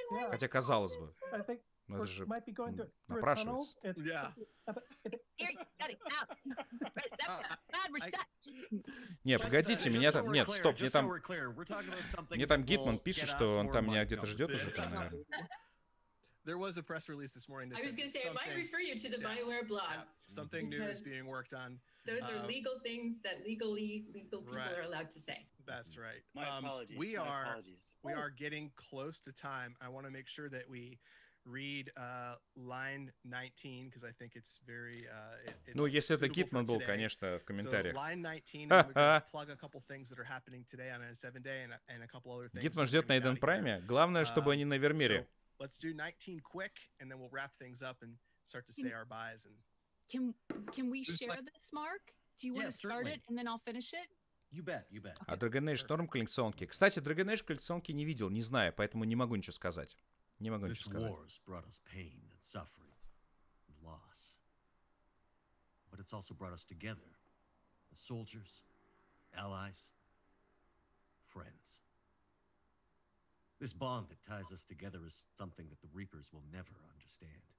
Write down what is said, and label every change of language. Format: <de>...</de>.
<ru>Хотя, казалось бы, но это же напрашивается. Не, погодите, мне там Гитман пишет, что он там меня где-то ждет уже там, наверное.</ru> <en>There was a press release this morning. I was going to say, I might refer you to the BioWare blog. Yeah, something new is being worked on. Those are legal things that legal people right. are allowed to say. That's right. My apologies. We are getting close to time. I want to make sure that we read line 19, because I think it's very</en> <ru>если это Гитман был, конечно, в комментариях.</ru> <en>So line 19, we're going to plug a couple things that are happening today on a 7-day and a couple other things.</en> <ru>Гитман ждет на Эден Прайме. Главное, чтобы они на Вермире.</ru> <en>Let's do 19 quick, and then we'll wrap things up and start to say our byes. And can we share this, Mark? Do you want to start certainly. It, and then I'll finish it? You bet. Okay.</en> <ru>А Dragon Age Storm коллекционки. Кстати, Dragon Age коллекционки не видел, не знаю, поэтому не могу ничего сказать.</ru> <en>This war has brought us pain and suffering and loss. But it's also brought us together. As soldiers, allies, friends. This bond that ties us together is something that the Reapers will never understand.</en>